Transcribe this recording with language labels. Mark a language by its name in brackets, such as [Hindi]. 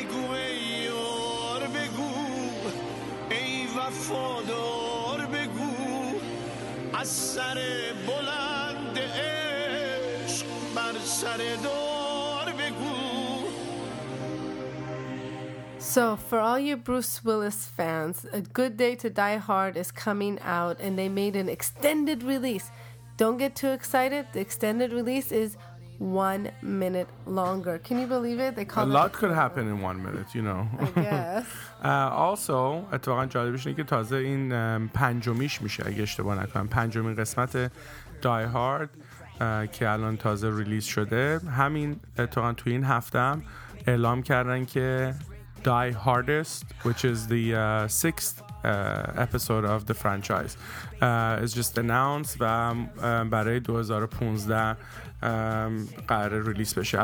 [Persian] ای یار بگو، ای وفادار بگو، از سر بلند عشق بر سر دار بگو. [English] So for all you Bruce Willis fans, A Good Day to Die Hard is coming out and they made an extended release. Don't get too excited. The extended release is 1 minute longer. Can you believe it? They call a lot could happen in 1 minute, you know. I guess. Also, [Persian] اتفاقا جالبش اینه که تازه این پنجمیش میشه اگه اشتباه نکنم. پنجمین قسمت Die Hard که الان تازه ریلیز شده. همین اتفاقا تو این هفته هم اعلام کردن که Die Hardest, [English] which is the sixth episode of the franchise, is just announced [Persian] و برای 2015 قراره ریلیس بشه.